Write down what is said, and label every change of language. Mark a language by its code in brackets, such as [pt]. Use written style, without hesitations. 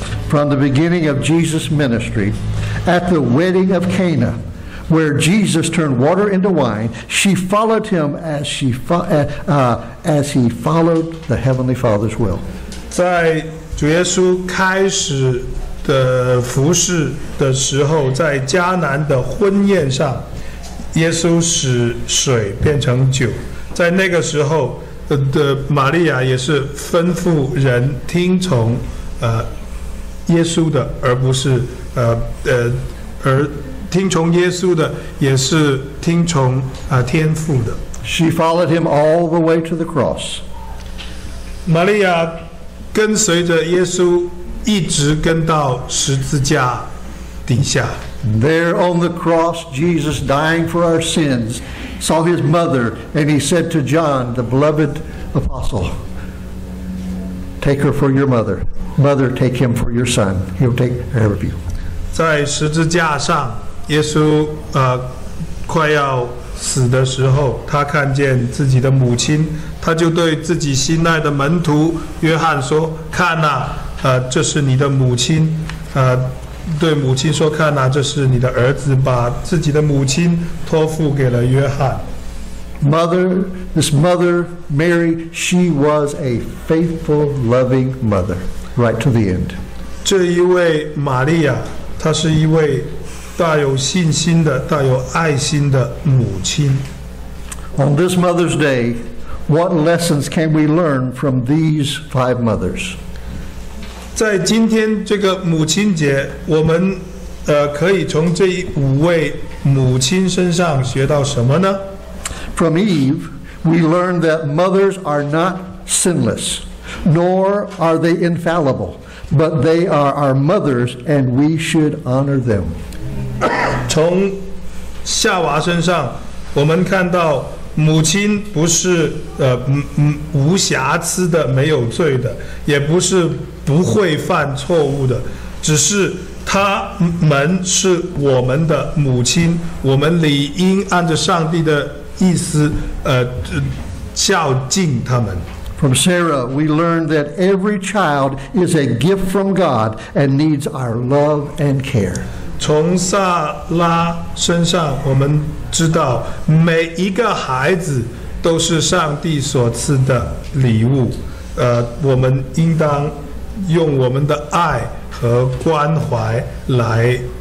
[en] From the beginning of Jesus' ministry, at the wedding of Cana, where Jesus turned water into wine, she followed him as he followed the Heavenly Father's will. [zh] 在主耶稣开始的服事的时候，在迦南的婚宴上，耶稣使水变成酒。在那个时候，玛利亚也是吩咐人听从，耶稣的，而不是而听从耶稣的，也是听从天父的。 [en] She followed him all the way to the cross. [zh] 玛利亚跟随着耶稣一直跟到十字架底下。 [en] There on the cross, Jesus dying for our sins, saw his mother, and he said to John, the beloved apostle, "Take her for your mother." Mother, take him for your son. He'll take care of you. [zh] 在十字架上，耶稣快要死的时候，他看见自己的母亲，他就对自己心爱的门徒约翰说：“看哪，这是你的母亲。” 对母亲说：“看哪，这是你的儿子。” 把自己的母亲托付给了约翰。 [en] Mother, this mother Mary, she was a faithful, loving mother. Right to the end. [zh] 这一位玛利亚，她是一位大有信心的、大有爱心的母亲。 [en] On this Mother's Day, what lessons can we learn from these five mothers? [zh] 在今天这个母亲节，我们可以从这五位母亲身上学到什么呢？ [en] From Eve, we learn that mothers are not sinless. Nor are they infallible, but they are our mothers, and we should honor them. [zh] 从夏娃身上，我们看到母亲不是无瑕疵的、没有罪的，也不是不会犯错误的，只是她们是我们的母亲，我们理应按着上帝的意思孝敬她们。 [en] From Sarah, we learn that every child is a gift from God and needs our love and care. [zh] 从萨拉身上，我们知道每一个孩子都是上帝所赐的礼物。我们应当用我们的爱和关怀来